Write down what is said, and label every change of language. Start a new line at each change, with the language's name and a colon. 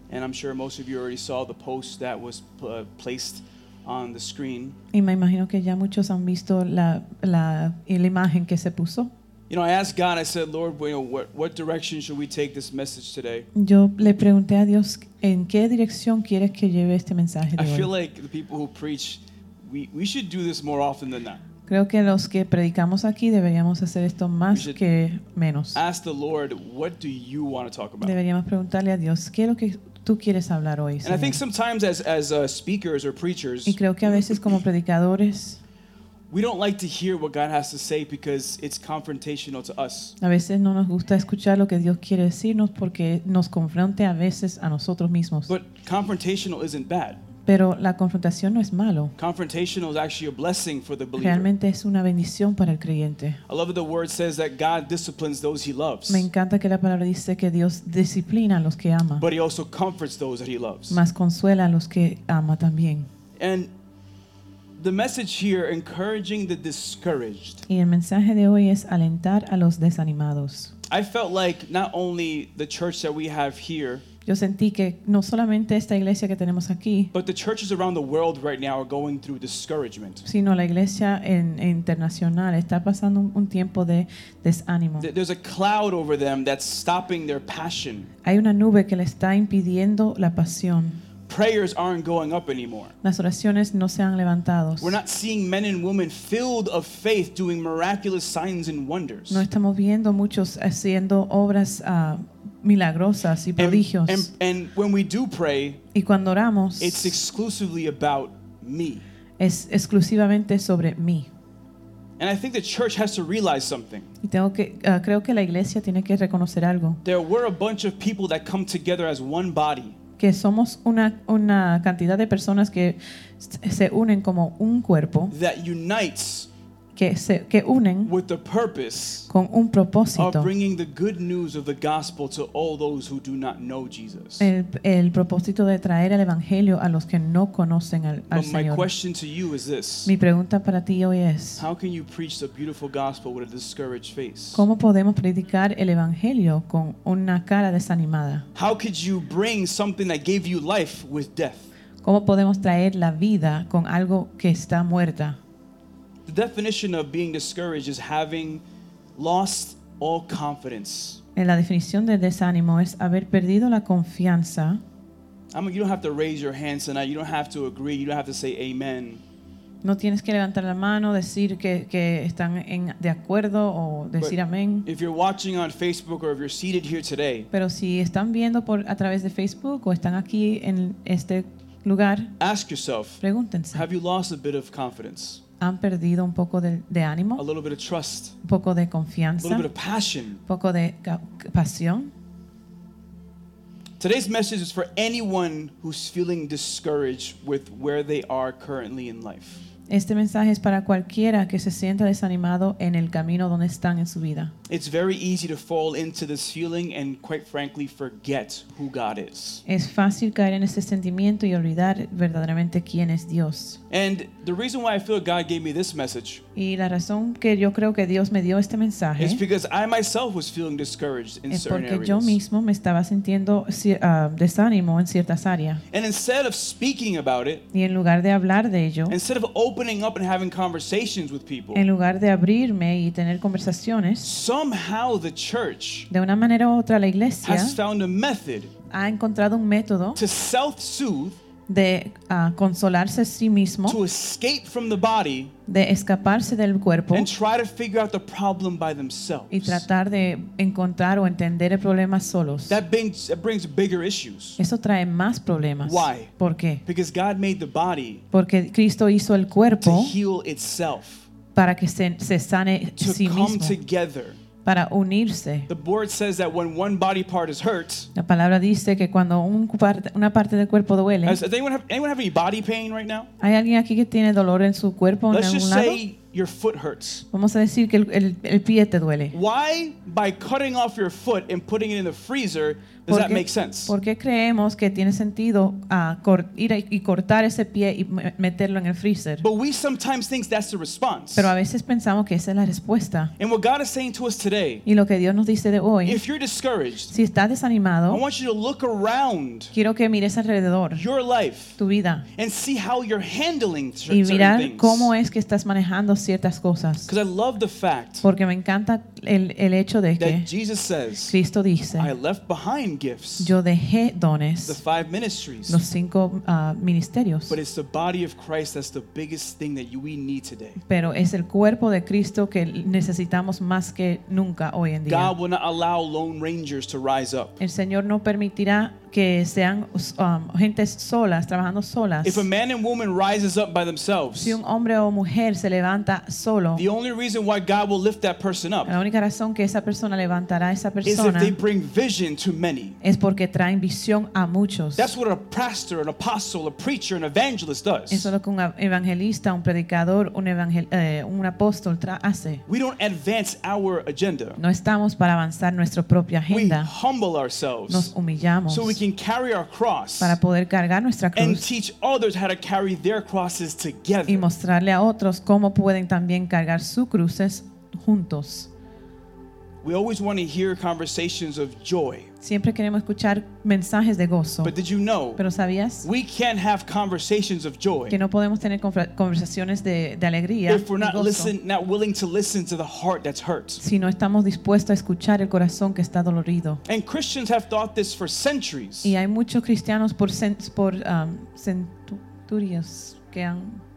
English: And I'm sure most of you already saw the post that was placed on the screen.
Spanish: Y me imagino que ya muchos han visto la imagen que se puso.
English: You know, I asked God, I said, Lord, you know, what direction should we take this message today?
Spanish: Yo le pregunté a Dios, ¿en qué dirección quieres que lleve este mensaje de hoy?
English: I feel like the people who preach, we should do this more often than not.
Spanish: Creo que los que predicamos aquí deberíamos hacer esto más que menos.
English: Ask the Lord, what do you want to talk about?
Spanish: Deberíamos preguntarle a Dios, ¿qué es lo que tú quieres hablar hoy, Señor?
English: And I think sometimes as speakers or preachers,
Spanish: y creo que a veces como predicadores,
English: we don't like to hear what God has to say because it's confrontational to us.
Spanish: A veces no nos gusta escuchar lo que Dios quiere decirnos porque nos confronta a veces a nosotros mismos.
English: But confrontational isn't bad.
Spanish: Pero la confrontación no es malo.
English: Confrontational is actually a blessing for the believer.
Spanish: Realmente es una bendición para el creyente.
English: I love that the word says that God disciplines those he loves.
Spanish: Me encanta que la palabra dice que Dios disciplina a los que ama.
English: But he also comforts those that he loves.
Spanish: Mas consuela a los que ama también.
English: And the message here, encouraging the discouraged.
Spanish: Y el mensaje de hoy es alentar a los desanimados.
English: I felt like not only the church that we have here,
Spanish: yo sentí que no solamente esta iglesia que tenemos aquí,
English: but the churches around the world right now are going through discouragement.
Spanish: Sino la iglesia internacional está pasando un tiempo de desánimo.
English: There's a cloud over them that's stopping their passion.
Spanish: Hay una nube que le está impidiendo la pasión.
English: Prayers aren't going up anymore.
Spanish: Las oraciones no se han levantado.
English: We're not seeing men and women filled of faith doing miraculous signs and wonders.
Spanish: No estamos viendo muchos haciendo obras milagrosas y prodigios.
English: And when we do pray,
Spanish: y cuando oramos,
English: it's exclusively about me.
Spanish: Es exclusivamente sobre mí.
English: And I think the church has to realize something.
Spanish: Y tengo que, creo que la iglesia tiene que reconocer algo.
English: There were a bunch of people that come together as one body.
Spanish: Que somos una cantidad de personas que se unen como un cuerpo
English: that unites
Spanish: que unen
English: with the purpose
Spanish: con un propósito
English: of bringing the good news of the gospel to all those who do not know Jesus.
Spanish: El propósito de traer el evangelio a los que no conocen al
English: But
Spanish: Señor.
English: My question to you is this.
Spanish: Mi pregunta para ti hoy es,
English: how can you preach the beautiful gospel with a discouraged face?
Spanish: ¿Cómo podemos predicar el evangelio con una cara desanimada?
English: How could you bring something that gave you life with death?
Spanish: ¿Cómo podemos traer la vida con algo que está muerta?
English: The definition of being discouraged is having lost all confidence.
Spanish: En la definición de desánimo es haber perdido la confianza.
English: I mean, you don't have to raise your hands tonight. You don't have to agree. You don't have to say amen.
Spanish: No tienes que levantar la mano, decir que están de acuerdo o decir amén.
English: If you're watching on Facebook or if you're seated here today,
Spanish: pero si están viendo a través de Facebook o están aquí en este lugar,
English: ask yourself,
Spanish: pregúntense,
English: have you lost a bit of confidence?
Spanish: Han perdido un poco de ánimo,
English: a little bit of trust,
Spanish: un poco de confianza,
English: a little bit of passion,
Spanish: un poco de pasión.
English: Today's message is for anyone who's feeling discouraged with where they are currently in life.
Spanish: Este mensaje es para cualquiera que se sienta desanimado en el camino donde están en su vida.
English: It's very easy to fall into this feeling and quite frankly forget who God is.
Spanish: Es fácil caer en ese sentimiento y olvidar verdaderamente quién es Dios.
English: And the reason why I feel God gave me this message,
Spanish: y la razón que yo creo que Dios me dio este mensaje,
English: is because I myself was feeling discouraged in certain areas.
Spanish: Es porque yo mismo me estaba sintiendo desánimo en ciertas áreas.
English: And instead of speaking about it,
Spanish: y en lugar de hablar de ello,
English: instead of opening up and having conversations with people,
Spanish: en lugar de abrirme y tener conversaciones,
English: somehow the church,
Spanish: de una manera u otra la iglesia,
English: has found a method,
Spanish: ha encontrado un método,
English: to self-soothe,
Spanish: de consolarse a sí mismo,
English: to escape from the body,
Spanish: de escaparse del cuerpo,
English: and try to figure out the problem by themselves,
Spanish: y tratar de encontrar o entender el problema solos.
English: That brings bigger issues.
Spanish: Eso trae más problemas.
English: Why?
Spanish: ¿Por qué?
English: Because God made the body,
Spanish: porque Cristo hizo el cuerpo,
English: to heal itself,
Spanish: para que se sane
English: to
Spanish: sí
English: come
Spanish: mismo,
English: together,
Spanish: para unirse.
English: The word says that when one body part is hurt,
Spanish: la palabra dice que cuando una parte del cuerpo duele.
English: Does anyone have any body pain right now?
Spanish: ¿Hay alguien aquí que tiene dolor en su cuerpo en algún lado?
English: Let's just say your foot hurts.
Spanish: Vamos a decir que el pie te duele.
English: Why, by cutting off your foot and putting it in the freezer, does that make sense?
Spanish: Porque creemos que tiene sentido ir y cortar ese pie y meterlo en el freezer.
English: But we sometimes think that's the response.
Spanish: Pero a veces pensamos que esa es la respuesta.
English: And what God is saying to us today.
Spanish: Y lo que Dios nos dice de hoy.
English: If you're discouraged,
Spanish: si estás desanimado,
English: I want you to look around.
Spanish: Quiero que mires alrededor.
English: Your life,
Spanish: tu vida,
English: and see how you're handling certain things.
Spanish: Y mirar
English: things.
Spanish: Cómo es que estás manejando ciertas cosas.
English: Because I love the fact.
Spanish: Porque me encanta el hecho de
English: that
Spanish: que
English: Jesus says,
Spanish: Cristo dice,
English: I left behind gifts,
Spanish: yo dejé dones,
English: the five ministries,
Spanish: los cinco ministerios,
English: but it's the body of Christ that's the biggest thing that we need today.
Spanish: Pero es el cuerpo de Cristo que necesitamos más que nunca hoy en día.
English: God will not allow lone rangers to rise up.
Spanish: El Señor no permitirá que sean gente solas, trabajando solas.
English: If a man and woman rises up by themselves,
Spanish: si un hombre o mujer se levanta solo,
English: the only reason why God will lift that person up,
Spanish: la única razón que esa persona levantará a esa persona,
English: is if they bring vision to many.
Spanish: Es porque traen visión a muchos.
English: That's what a pastor, an apostle, a preacher, an evangelist does.
Spanish: Eso es lo que un evangelista, un predicador, un apóstol hace.
English: We don't advance our agenda.
Spanish: No estamos para avanzar nuestra propia agenda.
English: We humble ourselves.
Spanish: Nos humillamos.
English: So we can carry our cross,
Spanish: para poder cargar nuestra cruz,
English: and teach others how to carry their crosses together,
Spanish: y mostrarle a otros cómo pueden también cargar sus cruces juntos.
English: We always want to hear conversations of joy.
Spanish: Siempre queremos escuchar mensajes de gozo.
English: But did you know?
Spanish: Pero ¿sabías?
English: We can't have conversations of joy.
Spanish: Que no podemos tener conversaciones de alegría.
English: If we're not willing to listen to the heart that's hurt.
Spanish: Si no estamos dispuestos a escuchar el corazón que está dolorido.
English: And Christians have thought this for centuries.
Spanish: Y hay muchos cristianos por centurias que han